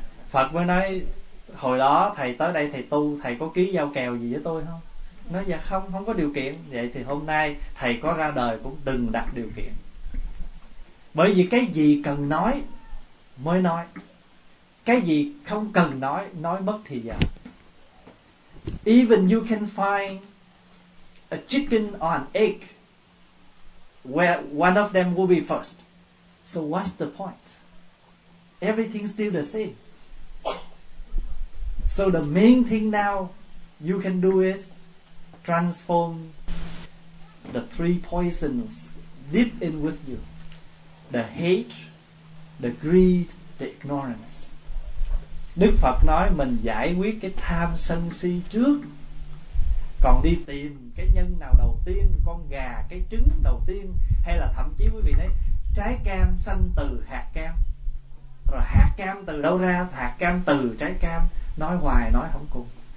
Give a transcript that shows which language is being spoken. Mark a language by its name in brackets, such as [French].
[Vietnamese] Phật mới nói: hồi đó thầy tới đây thầy tu, thầy có ký giao kèo gì với tôi không? Nói: dạ không, không có điều kiện. Vậy thì hôm nay thầy có ra đời cũng đừng đặt điều kiện. Bởi vì cái gì cần nói mới nói, cái gì không cần nói mất thì giờ. [English] Even you can find a chicken or an egg where one of them will be first, so what's the point? Everything's still the same. So the main thing now you can do is transform the 3 poisons deep in with you: the hate, the greed, the ignorance. [Vietnamese] Đức Phật nói mình giải quyết cái tham sân si trước, còn đi tìm cái nhân nào đầu tiên, con gà, cái trứng đầu tiên, hay là thậm chí quý vị nói trái cam sanh từ hạt cam, rồi hạt cam từ đâu ra, hạt cam từ trái cam, nói hoài nói không cùng.